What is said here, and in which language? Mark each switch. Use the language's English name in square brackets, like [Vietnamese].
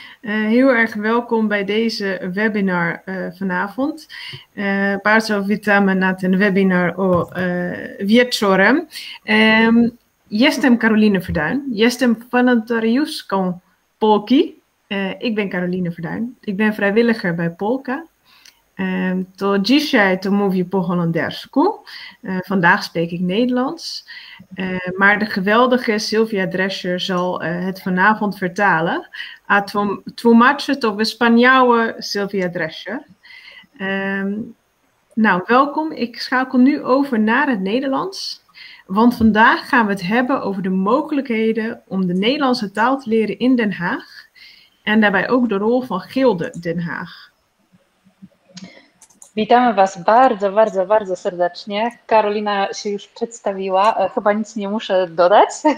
[Dutch] Heel erg welkom bij deze webinar vanavond. [Polish] Bardzo witamy na ten webinar o wieczorem. Jestem Caroline Verduin. Jestem wolontariuszką Polki. [Dutch] Ik ben Caroline Verduin. Ik ben vrijwilliger bij Polka. [Polish] To dzisiaj to mówię po holendersku. [Dutch] Vandaag spreek ik Nederlands. Maar de geweldige Sylvia Drescher zal het vanavond vertalen. [Polish] A tłumaczy to w Spaniaue Sylvia Drescher. [Dutch] Nou, welkom. Ik schakel nu over naar het Nederlands. Want vandaag gaan we het hebben over de mogelijkheden om de Nederlandse taal te leren in Den Haag. En daarbij ook de rol van Gilde Den Haag. [Polish] Witamy Was bardzo, bardzo, bardzo serdecznie. Karolina się już przedstawiła, chyba nic nie muszę dodać.